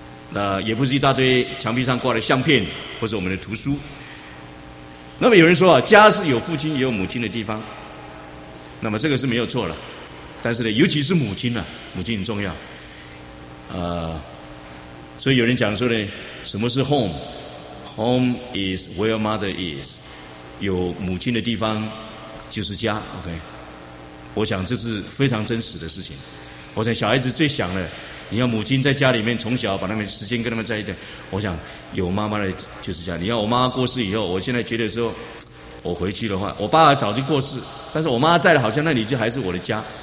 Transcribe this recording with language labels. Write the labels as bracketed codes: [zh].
[zh] 那也不是一大堆墙壁上挂的相片或者我们的图书。那么有人说啊，家是有父亲也有母亲的地方，那么这个是没有错了。但是呢，尤其是母亲啊，母亲很重要所以有人讲说呢，什么是 home？ [en] Home is where mother is， [zh] 有母亲的地方就是家。 OK， 我想这是非常真实的事情。我想小孩子最想的，你要母亲在家里面从小把他们时间跟他们在一起，我想有妈妈的就是家。你要我妈妈过世以后，我现在觉得说我回去的话，我爸早就过世，但是我妈在的好像那里就还是我的家。